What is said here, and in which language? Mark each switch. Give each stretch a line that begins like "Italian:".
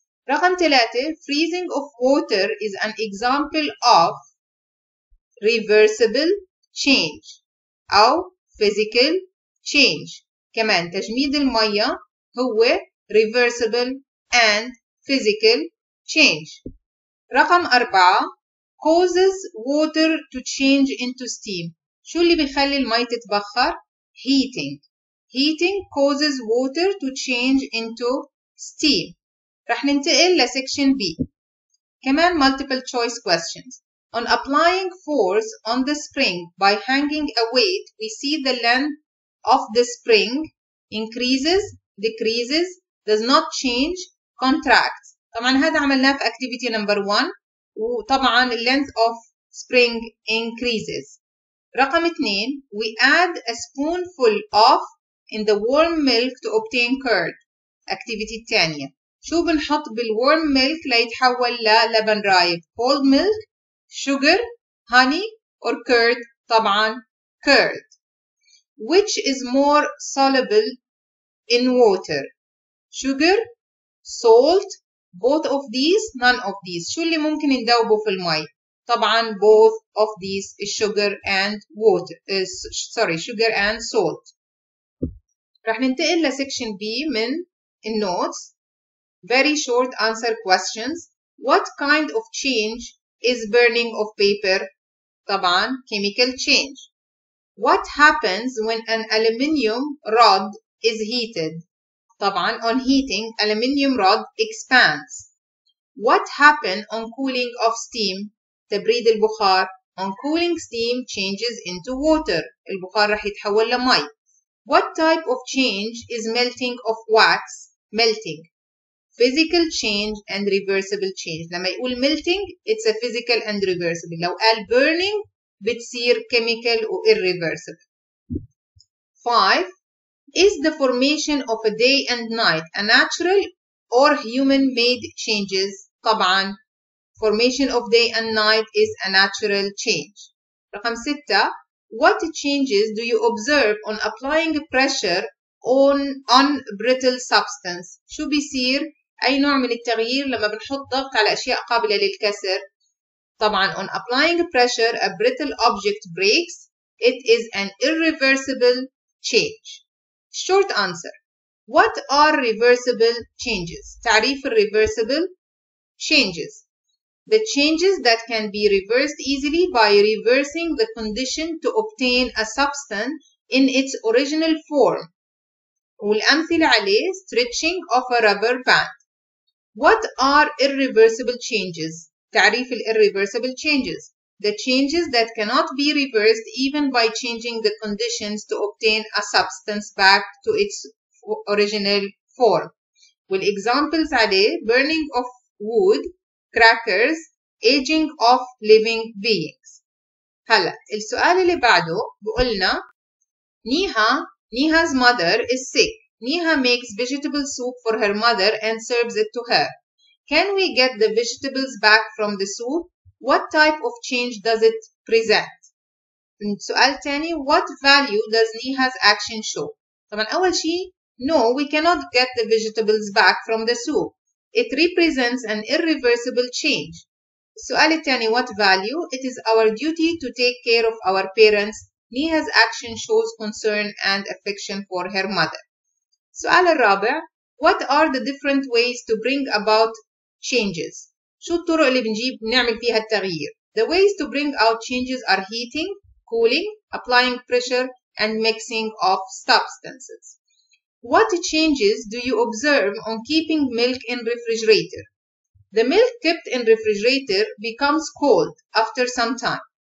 English: رقم ثلاثة, freezing of water is an example of reversible change أو physical change.
Arabic: كمان تجميد المية هو
English: reversible and physical change.
Arabic: رقم أربعة,
English: causes water to change into steam.
Arabic: شو اللي بيخلي المي تتبخر؟ Heating.
English: Heating causes water to change into steam.
Arabic: رح ننتقل لسكشن B. كمان
English: multiple choice questions. On applying force on the spring by hanging a weight, we see the length of the spring increases, decreases, does not change, contracts.
Arabic: طبعاً هذا عملناه في
English: activity number 1
Arabic: وطبعاً
English: length of spring increases. رقم 2, we add a spoonful of in the warm milk to obtain curd.
Arabic: Activity الثانية, شو بنحط بالwarm milk ليتحول للبن رايب؟
English: Cold milk, sugar, honey or curd? طبعاً curd. Which is more soluble in water? Sugar, salt, both of these, none of these.
Arabic: شو اللي ممكن ندوبه في المي؟ طبعا
English: both of these is sugar and water. Sugar and salt.
Arabic: رح ننتقل لسكشن B من النوتس.
English: Very short answer questions. What kind of change is burning of paper? طبعا chemical change. What happens when an aluminium rod is heated? طبعاً on heating, aluminium rod expands. What happened on cooling of steam?
Arabic: تبريد البخار.
English: On cooling steam changes into water.
Arabic: البخار رح يتحول لمي.
English: What type of change is melting of wax? Melting. Physical change and reversible change.
Arabic: لما يقول
English: melting, it's a physical and reversible.
Arabic: لو قال burning, بتصير chemical و irreversible.
English: 5. Is the formation of a day and night a natural or human-made changes? طبعا, formation of day and night is a natural change.
Arabic: رقم 6.
English: What changes do you observe on applying pressure on brittle substance?
Arabic: شو بيصير؟ أي نوع من التغيير لما بنحط ضغط على أشياء قابلة للكسر؟ طبعاً,
English: on applying pressure, a brittle object breaks. It is an irreversible change. Short answer. What are reversible changes?
Arabic: تعريف الreversible changes.
English: The changes that can be reversed easily by reversing the condition to obtain a substance in its original form.
Arabic: والأمثلة عليه,
English: stretching of a rubber band. What are irreversible changes?
Arabic: تعريف الirreversible changes.
English: The changes that cannot be reversed even by changing the conditions to obtain a substance back to its original form.
Arabic: والإجزامبلز عليه,
English: burning of wood, crackers, aging of living beings.
Arabic: هلا السؤال اللي بعده بقولنا نيها
English: 's mother is sick. Neha makes vegetable soup for her mother and serves it to her. Can we get the vegetables back from the soup? What type of change does it present?
Arabic: سؤال تاني,
English: what value does Neha's action show?
Arabic: طبعا أول شيء,
English: no, we cannot get the vegetables back from the soup. It represents an irreversible change.
Arabic: سؤال التاني,
English: what value? It is our duty to take care of our parents. Neha's action shows concern and affection for her mother.
Arabic: سؤال الرابع,
English: what are the different ways to bring about changes?
Arabic: شو الطرق اللي بنجيب نعمل فيها التغيير?
English: The ways to bring out changes are heating, cooling, applying pressure, and mixing of substances. What changes do you observe on keeping milk in refrigerator? The milk kept in refrigerator becomes cold after some time.